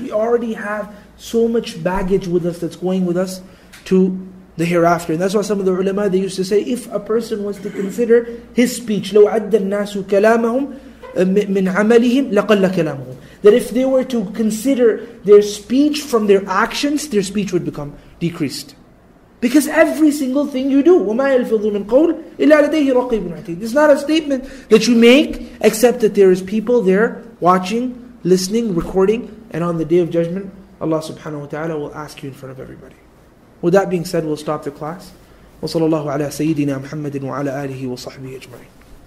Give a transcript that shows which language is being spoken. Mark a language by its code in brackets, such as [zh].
[en] We already have so much baggage with us that's going with us to the hereafter. And that's why some of the ulama, they used to say, if a person was to consider his speech, [ar] لو عد الناس كلامهم من عملهم لقل كلامهم. [en] That if they were to consider their speech from their actions, their speech would become decreased. Because every single thing you do, [ar] وَمَا يَلْفِظُ مِنْ قَوْلٍ إِلَّا لَدَيْهِ رَقِيبٌ عَتِيدٌ. [en] It's not a statement that you make, except that there is people there watching, listening, recording, and on the Day of Judgment, Allah subhanahu wa ta'ala will ask you in front of everybody. With that being said, we'll stop the class. [ar] وَصَلَى اللَّهُ عَلَىٰ سَيِّدِنَا مُحَمَّدٍ وَعَلَىٰ آلِهِ وَصَحْبِهِ أَجْمَعِينَ.